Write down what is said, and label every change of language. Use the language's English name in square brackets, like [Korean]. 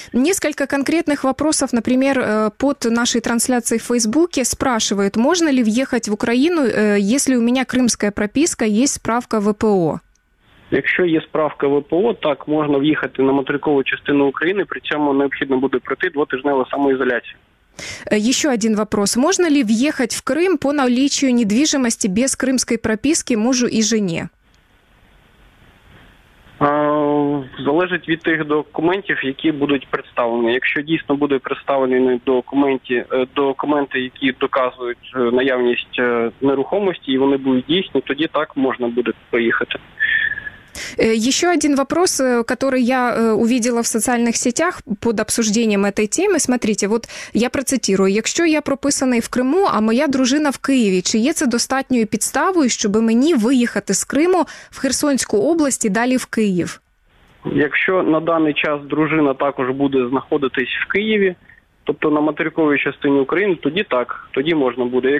[Russian] Несколько конкретных вопросов, например, под нашей трансляцией в Фейсбуке спрашивают, можно ли въехать в Украину, если у меня крымская прописка, есть справка ВПО? [Ukrainian] Якщо є справка ВПО, так, можна в'їхати на материкову частину України, при цьому необхідно буде пройти двотижневу самоізоляцію. [Russian] Еще один вопрос. Можно ли въехать в Крым по наличию недвижимости без крымской прописки мужу и жене? Залежит от тех документов, которые будут представлены. Если действительно будут представлены документы, которые доказывают [Ukrainian] наявность нерухомости, [Russian] и они будут действительны, тогда так можно будет поехать. Еще один вопрос, который я увидела в социальных сетях под обсуждением этой темы. Смотрите, вот я процитирую. [Ukrainian] «Якщо я прописаний в Криму, а моя дружина в Києві, чи є це достатньою підставою, щоб мені виїхати з Криму в Херсонську область і далі в Київ?» Якщо на даний час дружина також буде знаходитись в Києві, тобто на материковій частині України, тоді так, тоді можна буде.